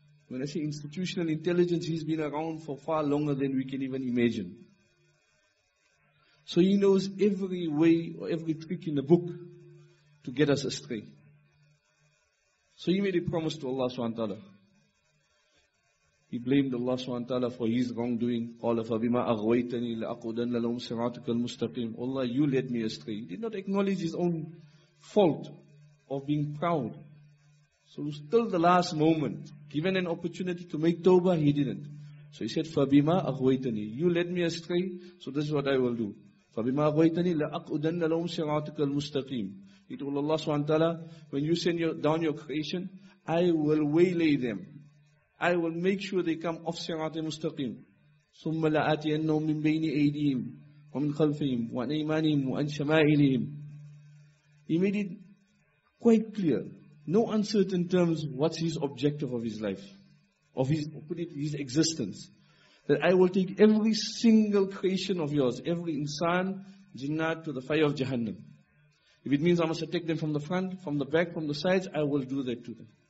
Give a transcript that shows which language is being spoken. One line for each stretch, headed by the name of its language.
English: When I say institutional intelligence, he's been around for far longer than we can even imagine. So he knows every way or every trick in the book to get us astray. So he made a promise to Allah subhanahu wa ta'ala. He blamed Allah subhanahu wa ta'ala for his wrongdoing.
Arabic: قَالَ فَبِمَا أَغْوَيْتَنِي لَأَقُدَنَّ لَهُمْ صِرَاطَكَ الْمُسْتَقِيمَ
English: Allah, you led me astray. He did not acknowledge his own fault of being proud. So till the last moment, given an opportunity to make tawbah, he didn't. So he said,
Arabic: فَبِمَا أَغْوَيْتَنِي
English: You led me astray, so this is what I will do.
Arabic: فَبِمَا أَغْوَيْتَنِي لَأَقْعُدَنَّ لَهُمْ صِرَاطَكَ الْمُسْتَقِيمَ
English: He told Allah subhanahu wa ta'ala, when you send down your creation, I will waylay them. I will make sure they come off
Arabic: صِرَاطِ مُسْتَقِيمِ ثُمَّ لَآتِيَنَّهُمْ مِنْ بَيْنِ أَيْدِيهِمْ وَمِنْ خَلْفِهِمْ وَعَنْ أَيْمَانِهِمْ وَعَنْ شَمَائِلِهِمْ
English: He made it quite clear. No uncertain terms, what's his objective of his life, of his, put it, his existence. That I will take every single creation of yours, every insan, jinnat, to the fire of Jahannam. If it means I must attack them from the front, from the back, from the sides, I will do that to them.